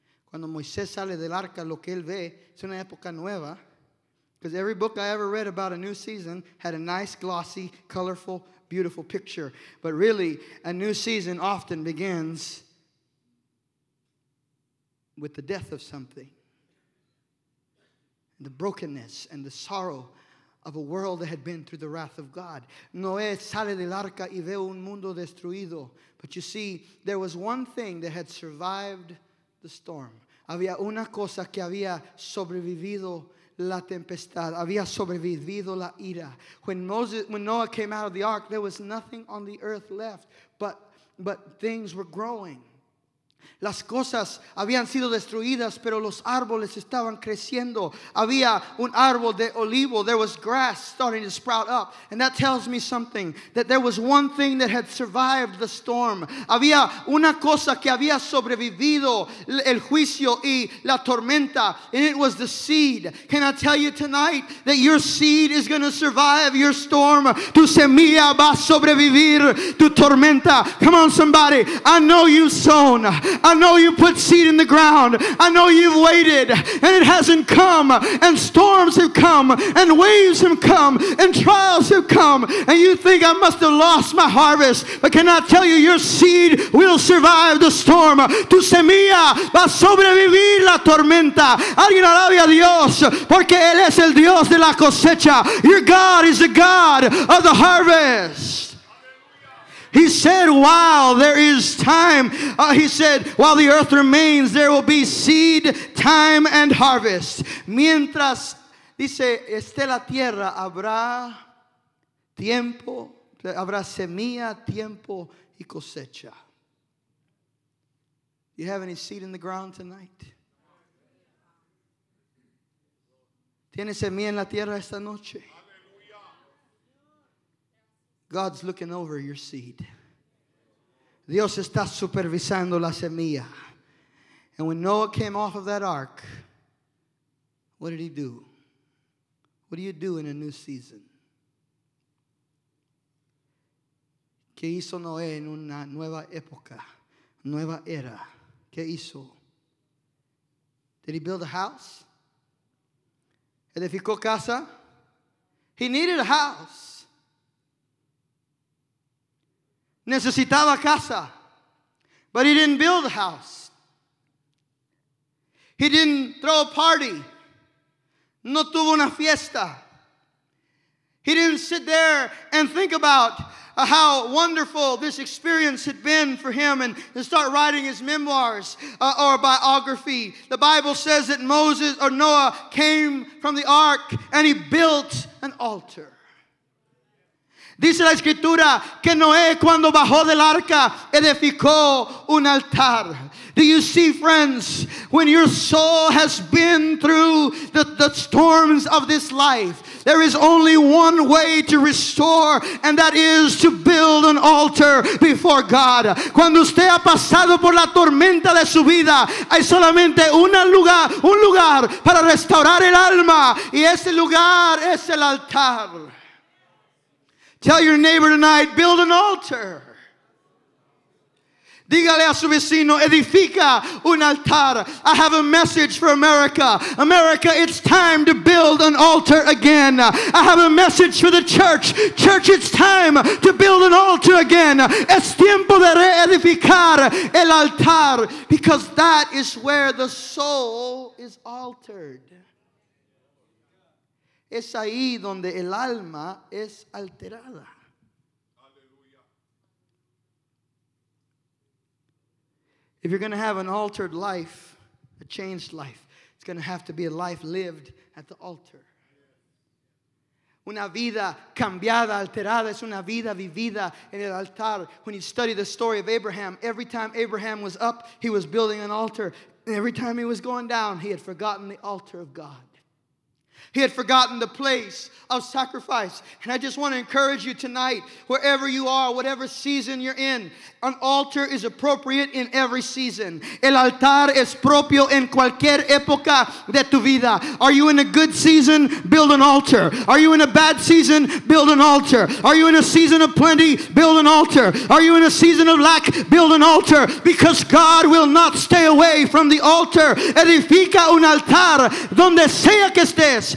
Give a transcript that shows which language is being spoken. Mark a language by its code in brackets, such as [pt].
[es] Cuando Moisés sale del arca, lo que él ve es una época nueva. [en] Because every book I ever read about a new season had a nice, glossy, colorful, beautiful picture. But really, a new season often begins with the death of something. The brokenness and the sorrow of a world that had been through the wrath of God. [es] Noé sale del arca y ve un mundo destruido. [en] But you see, there was one thing that had survived the storm. [es] Había una cosa que había sobrevivido la tempestad. Había sobrevivido la ira. [en] When Noah came out of the ark, there was nothing on the earth left, but things were growing. [es] Las cosas habían sido destruidas, pero los árboles estaban creciendo. Había un árbol de olivo. [en] There was grass starting to sprout up. And that tells me something, that there was one thing that had survived the storm. [es] Había una cosa que había sobrevivido el juicio y la tormenta, [en] and it was the seed. Can I tell you tonight that your seed is going to survive your storm? [es] Tu semilla va a sobrevivir tu tormenta. [en] Come on, somebody. I know you've sown. I know you put seed in the ground. I know you've waited and it hasn't come, and storms have come and waves have come and trials have come, and you think I must have lost my harvest. But can I tell you, your seed will survive the storm. [es] Tu semilla va a sobrevivir la tormenta. Alguien alabe a Dios, porque Él es el Dios de la cosecha. [en] Your God is the God of the harvest. He said, while there is time, he said, while the earth remains, there will be seed, time, and harvest. [es] Mientras, dice, esté la tierra, habrá tiempo, habrá semilla, tiempo, y cosecha. [en] You have any seed in the ground tonight? [es] ¿Tiene semilla en la tierra esta noche? [en] God's looking over your seed. [es] Dios está supervisando la semilla. [en] And when Noah came off of that ark, what did he do? What do you do in a new season? [es] ¿Qué hizo Noé en una nueva época, nueva era? ¿Qué hizo? [en] Did he build a house? [es] ¿Edificó casa? [en] He needed a house. [es] Necesitaba casa, [en] but he didn't build a house. He didn't throw a party. [es] No tuvo una fiesta. [en] He didn't sit there and think about how wonderful this experience had been for him and start writing his memoirs or biography. The Bible says that Moses or Noah came from the ark and he built an altar. [es] Dice la escritura que Noé cuando bajó del arca edificó un altar. [en] Do you see, friends, when your soul has been through the storms of this life, there is only one way to restore, and that is to build an altar before God. [es] Cuando usted ha pasado por la tormenta de su vida, hay solamente un lugar para restaurar el alma, y ese lugar es el altar. [en] Tell your neighbor tonight, build an altar. [es] Dígale a su vecino, edifica un altar. [en] I have a message for America. America, it's time to build an altar again. I have a message for the church. Church, it's time to build an altar again. [es] Es tiempo de reedificar el altar, [en] because that is where the soul is altered. [es] Es ahí donde el alma es alterada. Aleluya. [en] If you're going to have an altered life, a changed life, it's going to have to be a life lived at the altar. [es] Una vida cambiada, alterada, es una vida vivida en el altar. [en] When you study the story of Abraham, every time Abraham was up, he was building an altar. And every time he was going down, he had forgotten the altar of God. He had forgotten the place of sacrifice. And I just want to encourage you tonight, wherever you are, whatever season you're in, an altar is appropriate in every season. [es] El altar es propio en cualquier época de tu vida. [en] Are you in a good season? Build an altar. Are you in a bad season? Build an altar. Are you in a season of plenty? Build an altar. Are you in a season of lack? Build an altar. Because God will not stay away from the altar. [es] Edifica un altar donde sea que estés.